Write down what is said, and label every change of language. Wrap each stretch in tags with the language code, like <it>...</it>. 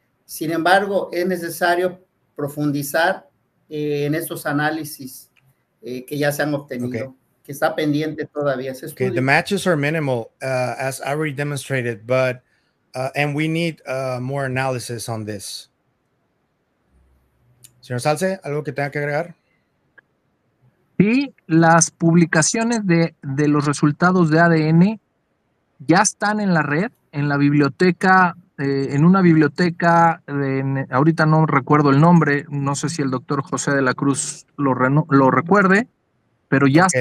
<es>Sin embargo, es necesario profundizar en estos análisis que ya se han obtenido, okay. Que está pendiente todavía ese estudio.</es> <en>Okay, the matches are minimal, as I already demonstrated, but and we need more analysis on this.</en> <es>Señor Salce, ¿algo que tenga que agregar? Sí, las publicaciones de los resultados de ADN ya están en la red, en la biblioteca, en una biblioteca, ahorita no recuerdo el nombre, no sé si el doctor José de la Cruz lo recuerde, pero ya okay.</es>